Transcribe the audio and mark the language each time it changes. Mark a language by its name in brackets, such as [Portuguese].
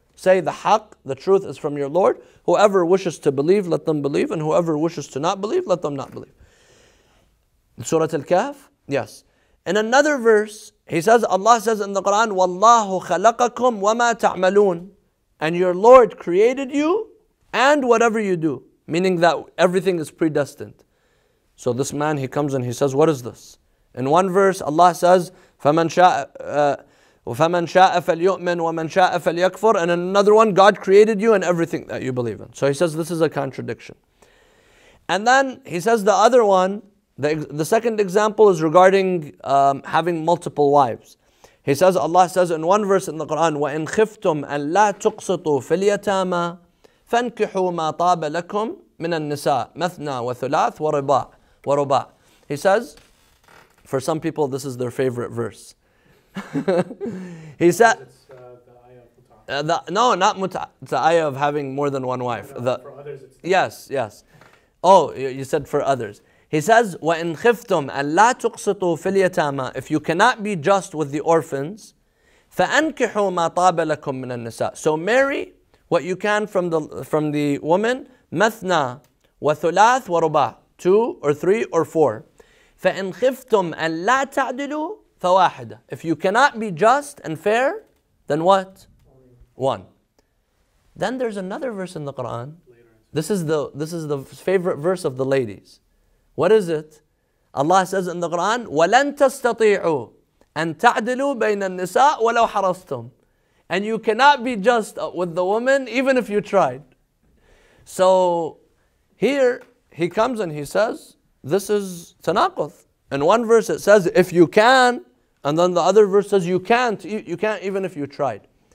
[English] Say, the haqq, the truth is from your Lord. Whoever wishes to believe, let them believe, and whoever wishes to not believe, let them not believe. Surah Al-Kahf? Yes. In another verse, he says, Allah says in the Quran, [Arabic] وَاللَّهُ خَلَقَكُمْ وَمَا تَعْمَلُونَ. [English] And your Lord created you and whatever you do. Meaning that everything is predestined. So this man, he comes and he says, what is this? In one verse, Allah says, [Arabic] فَمَنْ شَاءَ فَلْيُؤْمِنْ وَمَنْ شَاءَ فَلْيَكْفُرْ. [English] And in another one, God created you and everything that you believe in. So he says, this is a contradiction. And then he says the other one, the second example is regarding having multiple wives. He says, Allah says in one verse in the Quran, [Arabic] وَإِنْ خِفْتُمْ أَنْ لَا تُقْسِطُوا فِي الْيَتَامَى فَانْكِحُوا مَا طَابَ لَكُمْ مِنَ النِّسَاءِ مَثْنَى وَثُلَاثِ وَرُبَاعِ. [English] He says, for some people, this is their favorite verse. He said, it's the ayah of Muta'ah. No, not Muta'ah. It's the ayah of having more than one wife. For others, it's yes, yes. Oh, you said for others. He says, [Arabic] وَإِنْ خِفْتُمْ أَلَّا تُقْسِطُوا فِي الْيَتَامَى. [English] If you cannot be just with the orphans, [Arabic] فَأَنْكِحُوا مَا طَابَ لَكُمْ مِنَ النِّسَاءِ. [English] So marry what you can from the woman, [Arabic] مَثْنَى وَثُلَاثُ وَرُبَاعُ. [English] Two or three or four. [Arabic] فَإِنْ خِفْتُمْ أَلَّا تَعْدِلُوا فَوَاحِدًا. [English] If you cannot be just and fair, then what? One. Then there's another verse in the Quran. This is the favorite verse of the ladies. What is it? Allah says in the Quran, [Arabic] وَلَن تَسْتَطِيعُوا أَن تَعْدِلُوا بَيْنَ النِّسَاءِ وَلَوْ حَرَصْتُمْ. [English] And you cannot be just with the woman even if you tried. So here he comes and he says, this is tanaqud. In one verse it says, if you can, and then the other verse says, you can't even if you tried.